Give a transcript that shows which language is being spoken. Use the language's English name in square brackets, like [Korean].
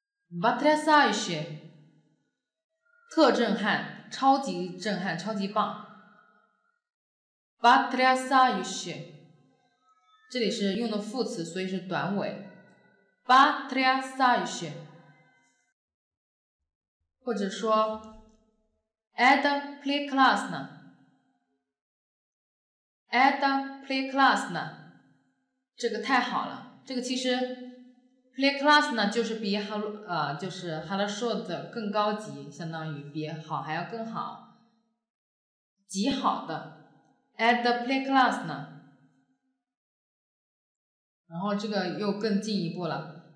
[Chinese] Потрясающе，特震撼，超级震撼，超级棒。 Потрясающе，这里是用的副词，所以是短尾。 [Russian] Потрясающе，或者说 Это прекрасно， Это прекрасно， [Chinese] 这个太好了。这个其实 прекрасно 就是比хорошо 的更高级，相当于比好还要更好，极好的。 [Russian] Это прекрасно。 [Chinese] 然后这个又更进一步了。